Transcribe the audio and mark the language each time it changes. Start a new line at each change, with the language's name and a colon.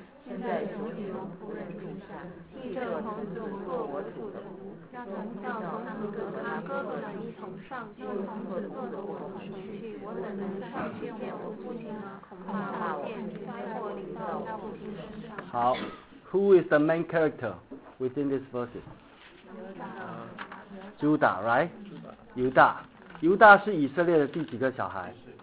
Chinese: 现在求你容仆人住下，替这个童子做我主的仆，要从此和他哥哥的一同上，又从此做的我同去，我怎能上去见我父亲呢？恐怕我便灾祸临到我父亲身上。
English: 好 ，Who is the main character within this verses?
Chinese: 犹大 ，right？犹大，犹大是以色列的第几个小孩？